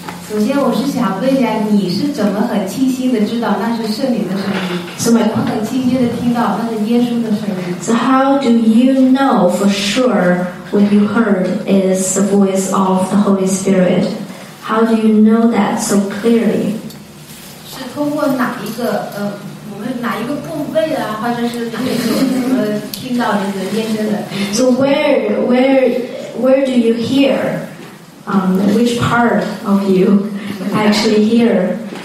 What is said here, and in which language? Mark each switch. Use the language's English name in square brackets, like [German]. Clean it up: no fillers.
[Chinese] 首先，我是想问一下，你是怎么很清晰的知道那是圣灵的声音？所以，我很清晰的听到那是耶稣的声音。 [English] So how do you know for sure what you heard is the voice of the Holy Spirit? How do you know that so clearly? [Chinese] 是通过哪一个我们哪一个部位啊，或者是哪一个听到这个音声的？ [English] So where do you hear? Which part of you actually hear?